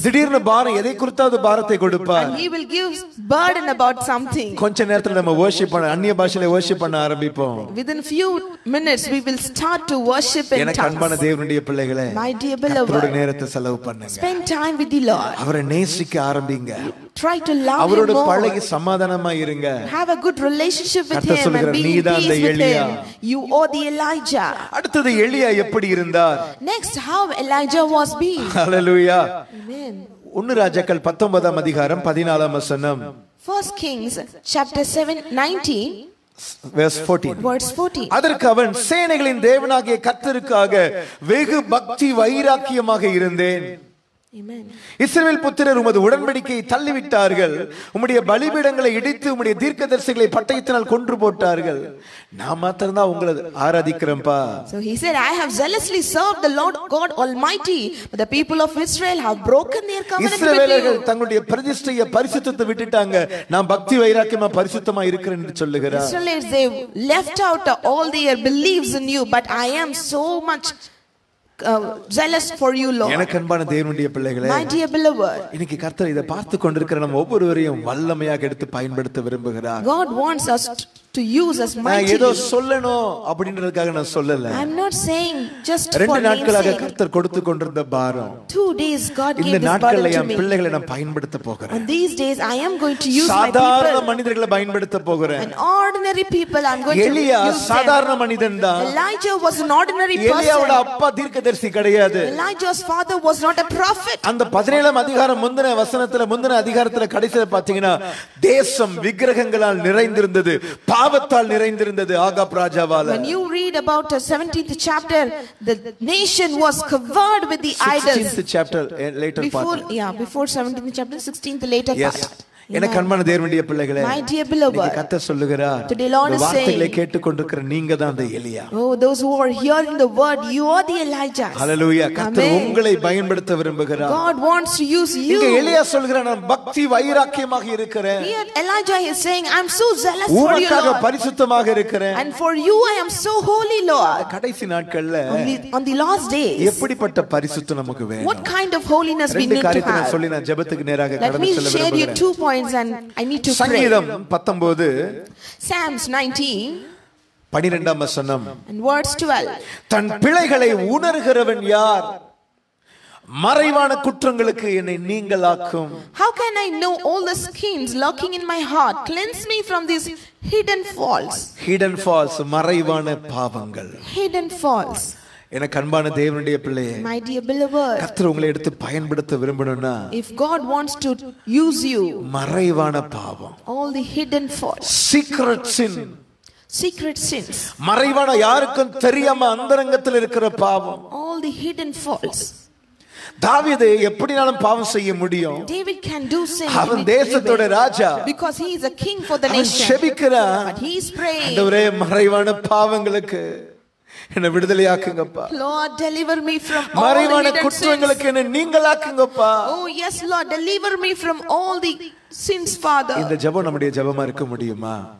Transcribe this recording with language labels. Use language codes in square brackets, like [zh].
[ta] திடீர்னு பாரம் எதை குறித்தாவது பாரத்தை கொடுப்பார். [en] He will give burden about something. [ta] கொஞ்ச நேரத்துல நம்ம worship பண்ண அந்நிய பாஷையில worship பண்ண ஆரம்பிப்போம். [en] Within few minutes we will start to worship in tongues. [ta] எனக்கு அன்பான தேவனுடைய பிள்ளைகளே, [en] My dear beloved, [ta] கர்த்தருடைய நேரத்தை செலவு பண்ணுங்க. [en] Spend time with the Lord. [ta] அவரை நேசிக்க ஆரம்பிங்க. [en] Try to love him more. [ta] அவரோடு பழகி சமாதானமா இருங்க. [en] Have a good relationship with him and be in peace. You are the Elijah. [ta] அடுத்தது எலியா எப்படி இருந்தார்? [en] Next, how Elijah was being. Hallelujah. Amen. [ta] ஒன்று ராஜாக்கள் 19 அதிகாரம் 14 வசனம். [en] First Kings chapter 7 19 Verse 14. [ta] அதற்கு அவன், சேனைகளின் தேவனாகிய கர்த்தருக்காக வெகு பக்தி வைராக்கியமாக இருந்தேன். இஸ்ரவேல் புத்திரர் உமது உடன்படிக்கையை தள்ளிவிட்டார்கள். உம்முடைய பலிபீடங்களை இடித்து உம்முடைய தீர்க்க தரிசிகளை பட்டயத்தினால் கொன்று போட்டார்கள். நான் மாத்திரம்தான் உங்களை ஆராதிக்கிறேன்பா. [en] So he said, I have zealously served the Lord God Almighty, but the people of Israel have broken their covenant. [ta] இஸ்ரவேலர்கள் தங்களுடைய பிரதிஷ்டைய பரிசுத்தத்தை விட்டுட்டாங்க. நான் பக்தி வைராக்கியமா பரிசுத்தமா இருக்கிறேன் என்று சொல்லுகிறார். [en] Israelites, they left out all their beliefs in you, but I am so much jealous for you, Lord. [ta] எனக்கு அன்பான தேவனுடைய பிள்ளைகளே, [en] my dear beloved, [ta] இன்னைக்கு கர்த்தர் இதை பார்த்து கொண்டிருக்கிற நம்ம ஒவ்வொருவரையும் வல்லமையாக எடுத்து பயன்படுத்த விரும்புகிறார். [en] God wants us to use us mighty. [ta] நான் ஏதோ சொல்லணும் அப்படிங்கிறதுக்காக நான் சொல்லல. [en] I'm not saying just for [ta] ரெண்டு நாட்களாக கர்த்தர் கொடுத்து கொண்டிருந்த பாரம், [en] two days God gave [ta] இந்த நாட்களில் என் பிள்ளைகளை நான் பயன்படுத்த போகிறேன். [en] And these days I am going to use my people. [ta] சாதாரண மனிதர்களை பயன்படுத்த போகிறேன். [en] And ordinary people I'm going Elijah to use. [ta] எலியா சாதாரண மனிதன் தான். [en] Elijah was an ordinary person. [ta] எலியாவோட அப்பா தீர்க்கதரிசி கிடையாது. [en] Elijah's father was not a prophet. [ta] அந்த 17 அதிகாரம் முந்தின வசனத்துல, முந்தின அதிகாரத்துல கடைசியில பாத்தீங்கன்னா, தேசம் விக்கிரகங்களால் நிறைந்திருந்தது, பாவத்தால் நிறைந்திருந்தது. Ahab ராஜாவால [en] when you read about the 17th chapter the nation was covered with the idols. 16th chapter later part before, yeah, before 17th chapter 16th later yes. part [ta] yes எனக்கு அன்பான தேவனுடைய பிள்ளைகளே, [en] my dear beloved, [ta] கர்த்த சொல்லுகிறார், [en] today Lord is saying, [ta] வார்த்தைகளை கேட்டுக்கொண்டிருக்கிற நீங்க தான் அந்த எலியா. [en] Oh, those who are hearing the word, you are the Elijah. Hallelujah. [ta] கர்த்த உங்களை பயன்படுத்த விரும்புகிறார். [en] God wants to use you. [ta] இங்க எலியா சொல்கிறார், நான் பக்தி வைராக்கியமாக இருக்கிறேன். [en] Here Elijah is saying, I'm so zealous for you, Lord. [ta] பரிசுத்தமாக இருக்கிறேன். [en] And for you I am so holy, Lord. [ta] கடைசி நாட்கள்ல, [en] on the last days, [ta] எப்படிப்பட்ட பரிசுத்தம் நமக்கு வேணும்? [en] What kind of holiness we need to have? [ta] ரெண்டு காரியத்தை சொல்லி நான் ஜெபத்துக்கு நேராக கடந்து செல்ல விரும்புகிறேன். [en] Let me share you two points and I need to pray. [ta] சங்கீதம் 19 [en] Psalms 19 [ta] 12 வசனம் [en] and verse 12 [ta] தன் பிழைகளை உணர்கிறவன் யார்? மறைவான குற்றங்களுக்கு என்னை நீங்கலாக்கும். [en] How can I know all the schemes lurking in my heart? Cleanse me from these hidden faults. Hidden faults, [ta] மறைவான பாவங்கள். [en] Hidden faults. [ta] எனக்கு அன்பான தேவனுடைய பிள்ளையே, [en] my dear beloved, [ta] கர்த்தர் உங்களை எடுத்து பயன்படுத்த விரும்பணும்னா, [en] if God wants to use you, [ta] மறைவான பாவம், [en] all the hidden faults, secret sin, secret sins, [ta] மறைவான யாருக்கும் தெரியாம அந்தரங்கத்தில் இருக்கிற பாவம், [en] all the hidden faults. [ta] தாவீது எப்படினாலும் பாவம் செய்ய முடியும். [en] David can do sin. [ta] அவன் தேசத்தோட ராஜா. [en] Because he is a king for the nation. [ta] அவன் ஜெபிக்கிறான். [en] But he is praying. [ta] ஆண்டவரே, மறைவான பாவங்களுக்கு என்ன விடுதலையாக்குங்கப்பா. [en] Lord deliver me from all [ta] மறைவான குற்றங்களுக்கு என்ன நீங்களாக்குங்கப்பா. [en] Oh yes Lord deliver me from all the sins Father. [ta] இந்த ஜெபம் நம்முடைய ஜெபமா இருக்க முடியுமா?